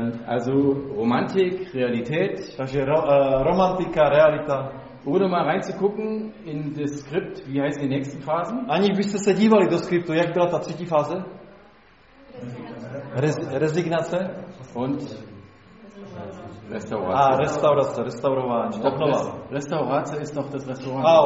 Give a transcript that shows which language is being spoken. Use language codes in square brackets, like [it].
[de] Also Romantik, Realität. [cs] Takže romantika, realita. [de] Ohne mal reinzugucken in das Skript, wie heißt die nächsten Phasen? [cs] Ani byste se dívali do skriptu, jak byla ta třetí fáze? Rezignace. [de] Und [cs] Restaurace. Restaurace, restaurování. [de] Restaurace ist noch das Restaurant.